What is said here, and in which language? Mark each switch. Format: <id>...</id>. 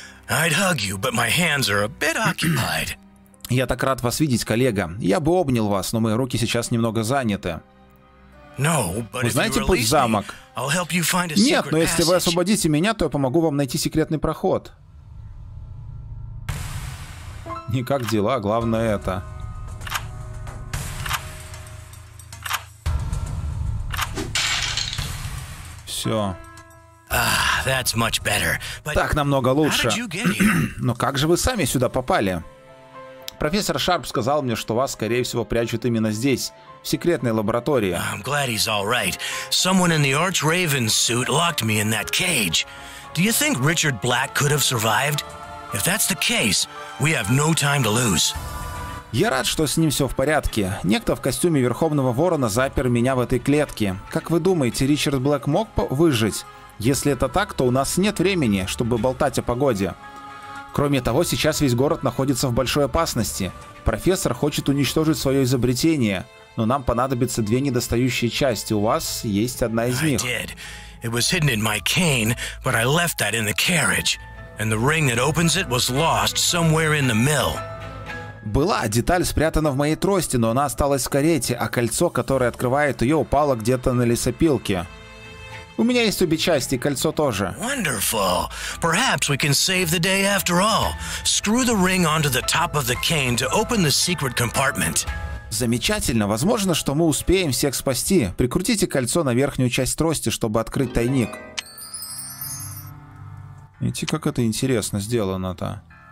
<en>I'd hug you, but my hands are a bit occupied.</en> <ru>Я так рад вас видеть, коллега. Я бы обнял вас, но мои руки сейчас немного заняты.</ru> <en>No, but</en> <ru>вы знаете путь в замок? Нет, но если вы освободите меня, то я помогу вам найти секретный проход. Не как дела, главное это. Все.</ru> <en>That's much better, but...</en> <ru>Так намного лучше. Но как же вы сами сюда попали? Профессор Шарп сказал мне, что вас, скорее всего, прячут именно здесь, в секретной лаборатории.</ru> <en>I'm glad he's all right. Someone in the Arch Raven's suit locked me in that cage. Do you think Richard Black could have survived? If that's the case, we have no time to lose.</en> <ru>Я рад, что с ним все в порядке. Некто в костюме Верховного Ворона запер меня в этой клетке. Как вы думаете, Ричард Блэк мог выжить? Если это так, то у нас нет времени, чтобы болтать о погоде. Кроме того, сейчас весь город находится в большой опасности. Профессор хочет уничтожить свое изобретение, но нам понадобятся две недостающие части. У вас есть одна из них.</ru> <en>It was hidden in my cane, but I left that in the carriage. And the ring that opens it was lost somewhere in the mill.</en> <ru>Была деталь спрятана в моей трости, но она осталась в карете, а кольцо, которое открывает ее, упало где-то на лесопилке. У меня есть обе части, кольцо тоже.</ru> <en>Wonderful. Perhaps we can save the day after all. Screw the ring onto the top of the cane to open the secret compartment.</en> <ru>Замечательно, возможно, что мы успеем всех спасти. Прикрутите кольцо на верхнюю часть трости, чтобы открыть тайник. Видите, как это интересно сделано-то.</ru>